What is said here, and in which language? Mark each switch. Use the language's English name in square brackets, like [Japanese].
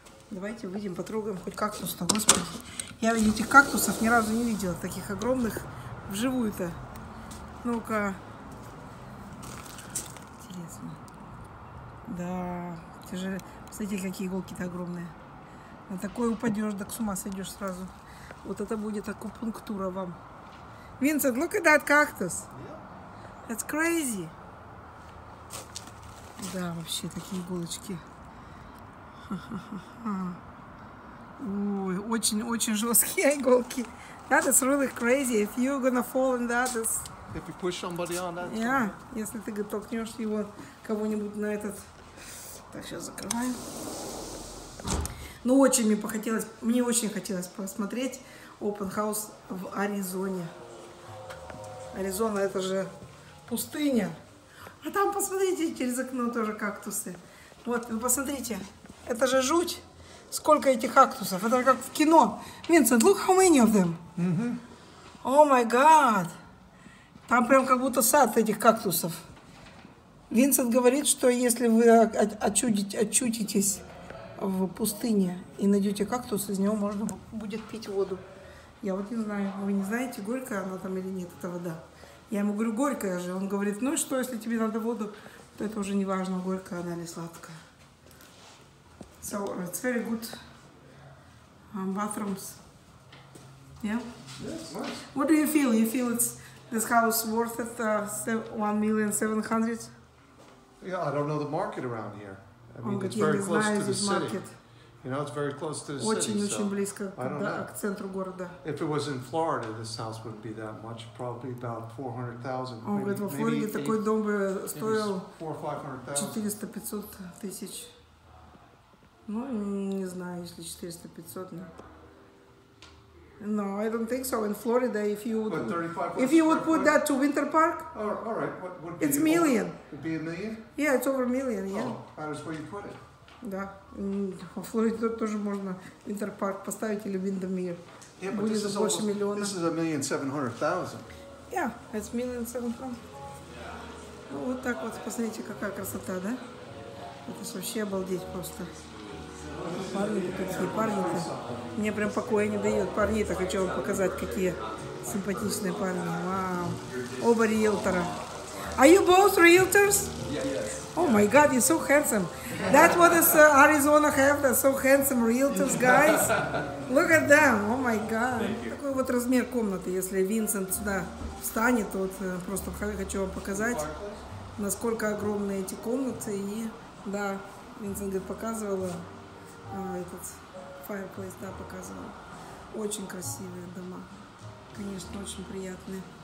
[Russian] Давайте выйдем, потрогаем хоть кактус-то, господи. Я этих кактусов ни разу не видела, таких огромных вживую-то. Ну-ка. Интересно. Да, те же, посмотрите, какие иголки-то огромные. На такой упадешь, так с ума сойдешь сразу. Вот это будет акупунктура вам. [English] Винсент, look at that cactus. That's crazy. [Russian] Да, вообще, такие иголочки. Ой, очень-очень жесткие иголки. [English] That is really crazy. If you're gonna fall in that, it's... If you push somebody on that... Yeah, time. [Russian] Если ты толкнешь его кого-нибудь на этот... Так, сейчас закрываем. Ну, очень мне похотелось, мне очень хотелось посмотреть Open House в Аризоне. Аризона — это же пустыня. А там, посмотрите, через окно тоже кактусы. Вот, вы посмотрите. Это же жуть. Сколько этих кактусов? Это как в кино. [English] Винсент, look how many of them. О май гад. [Russian] Там прям как будто сад этих кактусов. Винсент говорит, что если вы очутитесь в пустыне и найдете кактус, из него можно будет пить воду. Я вот не знаю, вы не знаете, горькая она там или нет, эта вода. Я ему говорю, горькая же. Он говорит, ну и что, если тебе надо воду, то это уже не важно, горькая она или сладкая. [English] So, it's very good bathrooms. Yeah? Yes, what do you feel? You feel it's this house worth it, 1,700,000? Yeah, I don't know the market around here. I mean, it's very close to the city. You know, it's very close to the city. [Russian] Очень-очень близко к центру города. [English] If it was in Florida, this house wouldn't be that much. Probably about 400,000. [Russian] Он говорит, во Флориде такой дом бы стоил 400-500 тысяч. Ну, не знаю, если 400-500, но... [English] No, I don't think so. In Florida, if you would, put that to Winter Park, all right, what would be it's a million. Over, it'd be a million? Yeah, it's over a million, yeah. Oh, that is where you put it. [Russian] Да. В Флориде тоже можно Winter Park поставить или Windermere. [English] Yeah, but this is, [Russian] больше миллиона. [English] This is 1,700,000. Yeah, it's 1,700,000. [Russian] Yeah. Ну, вот так вот, посмотрите, какая красота, да? Это же вообще обалдеть просто. Парни-то какие, парни-то. Мне прям покоя не дает. Парни-то хочу вам показать, какие симпатичные парни. [English] Вау. [Russian] Оба риэлтора. [English] Are you both realtors? Yes. Oh my God, you're so handsome. That's what is Arizona have, that's so handsome realtors, guys. Look at them. Oh my God. [Russian] Такой вот размер комнаты. Если Винсент сюда встанет, вот просто хочу вам показать, насколько огромные эти комнаты. И да, Винсент говорит, показывала. Этот фаерплейс, да, показывал. Очень красивые дома. Конечно, очень приятные.